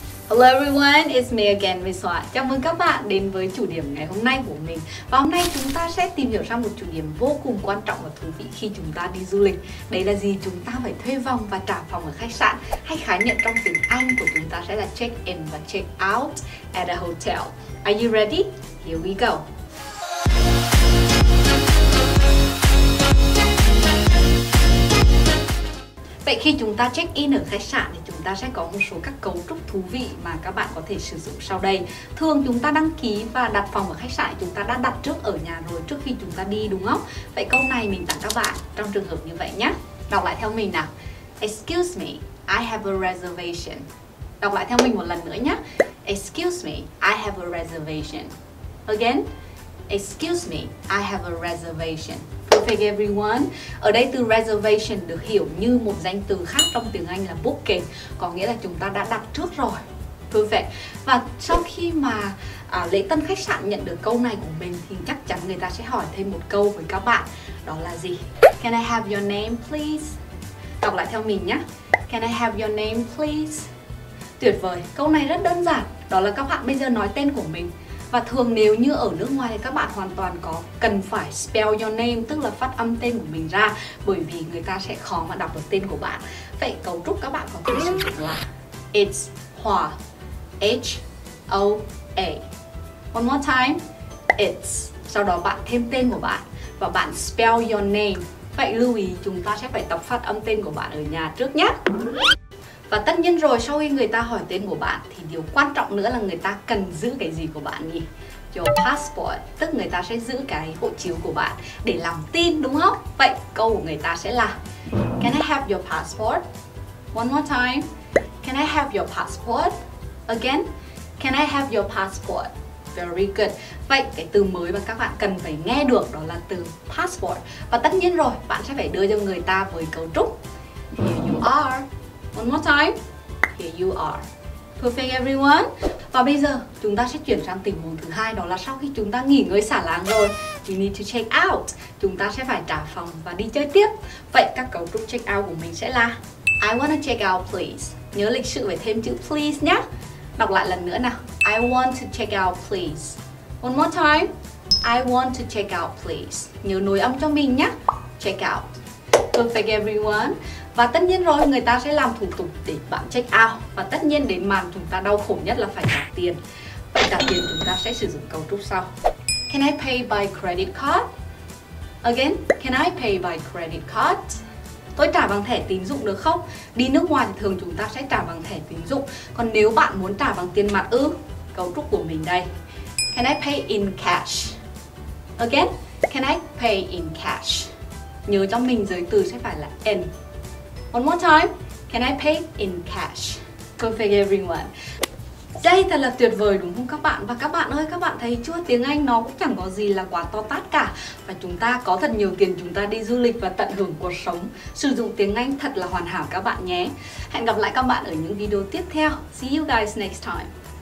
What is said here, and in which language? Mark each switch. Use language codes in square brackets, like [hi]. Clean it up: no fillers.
[en] Hello everyone, it's me again, Miss Hoa. [vi] Chào mừng các bạn đến với chủ điểm ngày hôm nay của mình. Và hôm nay chúng ta sẽ tìm hiểu ra một chủ điểm vô cùng quan trọng và thú vị khi chúng ta đi du lịch. Đấy là gì? Chúng ta phải thuê phòng và trả phòng ở khách sạn. Hay khái niệm trong tiếng Anh của chúng ta sẽ là check in và [en] check out at a hotel. Are you ready? Here we go. [vi] Vậy khi chúng ta check in ở khách sạn thì chúng ta sẽ có một số các cấu trúc thú vị mà các bạn có thể sử dụng sau đây. Thường chúng ta đăng ký và đặt phòng ở khách sạn chúng ta đã đặt trước ở nhà rồi trước khi chúng ta đi đúng không? Vậy câu này mình tặng các bạn trong trường hợp như vậy nhé. Đọc lại theo mình nào. [en] Excuse me, I have a reservation. [vi] Đọc lại theo mình một lần nữa nhé. [en] Excuse me, I have a reservation. Again. Excuse me, I have a reservation. Perfect everyone. [vi] Ở đây từ reservation được hiểu như một danh từ khác trong tiếng Anh là booking, có nghĩa là chúng ta đã đặt trước rồi. [en] Perfect. [vi] Và sau khi mà lễ tân khách sạn nhận được câu này của mình thì chắc chắn người ta sẽ hỏi thêm một câu với các bạn. Đó là gì? [en] Can I have your name please? [vi] Đọc lại theo mình nhé. [en] Can I have your name please? [vi] Tuyệt vời. Câu này rất đơn giản. Đó là các bạn bây giờ nói tên của mình. Và thường nếu như ở nước ngoài thì các bạn hoàn toàn có cần phải [en] spell your name, [vi] tức là phát âm tên của mình ra, bởi vì người ta sẽ khó mà đọc được tên của bạn. Vậy cấu trúc các bạn có thể sử dụng là [en] It's Hoa, H-O-A. One more time, It's. [vi] Sau đó bạn thêm tên của bạn và bạn [en] spell your name. [vi] Vậy lưu ý chúng ta sẽ phải tập phát âm tên của bạn ở nhà trước nhé. Và tất nhiên rồi, sau khi người ta hỏi tên của bạn thì điều quan trọng nữa là người ta cần giữ cái gì của bạn nhỉ? [en] Your passport, [vi] tức người ta sẽ giữ cái hộ chiếu của bạn để làm tin đúng không? Vậy câu của người ta sẽ là [en] Can I have your passport? One more time. Can I have your passport? Again. Can I have your passport? Very good. [vi] Vậy cái từ mới mà các bạn cần phải nghe được đó là từ passport. Và tất nhiên rồi, bạn sẽ phải đưa cho người ta với cấu trúc [en] Here you are. One more time, here you are. Perfect everyone. [vi] Và bây giờ chúng ta sẽ chuyển sang tình huống thứ hai, đó là sau khi chúng ta nghỉ ngơi xả láng rồi, [en] you need to check out. [vi] Chúng ta sẽ phải trả phòng và đi chơi tiếp. Vậy các cấu trúc check out của mình sẽ là [en] I wanna check out please. [vi] Nhớ lịch sự phải thêm chữ please nhé. Đọc lại lần nữa nào. [en] I want to check out please. One more time. I want to check out please. [vi] Nhớ nối âm cho mình nhé. [en] Check out. Perfect everyone. [vi] Và tất nhiên rồi, người ta sẽ làm thủ tục để bạn check out. Và tất nhiên đến màn chúng ta đau khổ nhất là phải trả tiền. Vậy trả tiền chúng ta sẽ sử dụng cấu trúc sau. [en] Can I pay by credit card? Again, can I pay by credit card? [vi] Tôi trả bằng thẻ tín dụng được không? Đi nước ngoài thì thường chúng ta sẽ trả bằng thẻ tín dụng. Còn nếu bạn muốn trả bằng tiền mặt ư? Cấu trúc của mình đây. [en] Can I pay in cash? Again, can I pay in cash? [vi] Nhớ cho mình giới từ sẽ phải là in. [en] One more time, can I pay in cash? Perfect everyone. [vi] Đây thật là tuyệt vời đúng không các bạn? Và các bạn ơi, các bạn thấy chưa, tiếng Anh nó cũng chẳng có gì là quá to tát cả. Và chúng ta có thật nhiều tiền, chúng ta đi du lịch và tận hưởng cuộc sống. Sử dụng tiếng Anh thật là hoàn hảo các bạn nhé. Hẹn gặp lại các bạn ở những video tiếp theo. [en] See you guys next time.